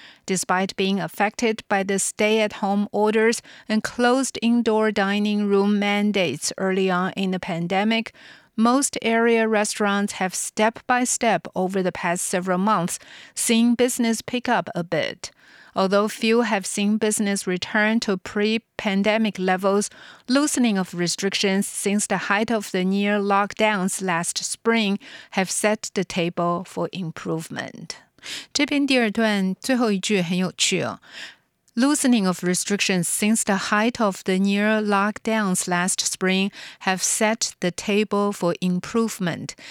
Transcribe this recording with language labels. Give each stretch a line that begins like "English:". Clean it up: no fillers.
English: Despite being affected by the stay-at-home orders and closed indoor dining room mandates early on in the pandemic, most area restaurants have step-by-step over the past several months seen business pick up a bit. Although few have seen business return to pre-pandemic levels, loosening of restrictions since the height of the near lockdowns last spring have set the table for improvement.
Chinese: 这篇第二段最后一句很有趣哦。
English: Loosening of restrictions since the height of the near lockdowns last spring have set the table for improvement.